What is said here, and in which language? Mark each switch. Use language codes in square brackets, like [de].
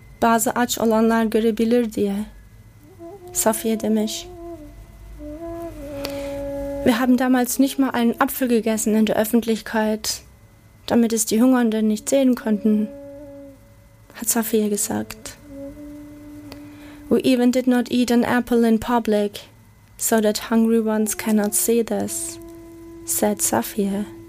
[tr] Bazı aç olanlar görebilir diye. Safiye demiş. [de] Wir haben damals nicht mal einen Apfel gegessen in der Öffentlichkeit, damit es die Hungernden nicht sehen konnten, hat Safir gesagt. [en] We even did not eat an apple in public, so that hungry ones cannot see this, said Safir.